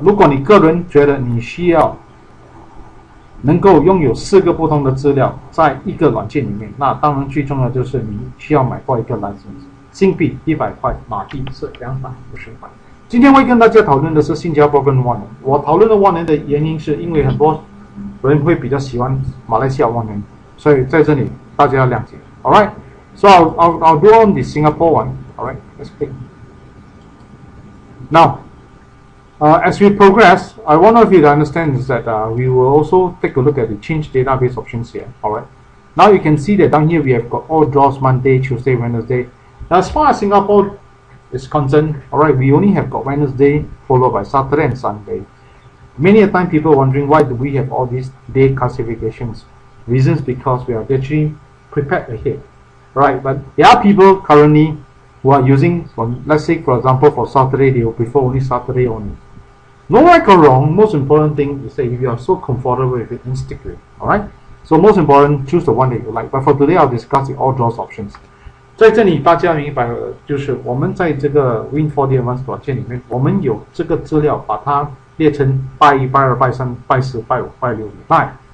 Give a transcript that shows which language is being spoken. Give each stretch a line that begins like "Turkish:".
Chinese: 如果你个人觉得你需要能够拥有四个不同的资料在一个软件里面，那当然最重要就是你需要买过一个 license， 新币100块，马币是250块。今天会跟大家讨论的是新加坡跟 1N。我讨论的 1N 的原因是因为很多人会比较喜欢马来西亚 1N， 所以在这里大家要谅解。
English: Alright, so I'll do on the Singapore one. Alright, let's click. Now, as we progress, I want all of you to understand is that we will also take a look at the change database options here. Alright, now you can see that down here we have got all draws Monday, Tuesday, Wednesday. Now, as far as Singapore is concerned, alright, we only have got Wednesday followed by Saturday and Sunday. Many a time people wondering why do we have all these day classifications. Reasons because we are actually prepared ahead, right? But there are people currently who are using, let's say for example for Saturday, they will prefer only Saturday only. No right or wrong, most important thing is that if you are so comfortable with it, then stick with it, alright? So most important, choose the one that you like. But for today, I'll discuss the all draws options.
Chinese: 在这里大家明白了，就是我们在这个 Win4D Advanced 软件里面，我们有这个资料，把它列成拜一、拜二、拜三、拜四、拜五、拜六、礼拜。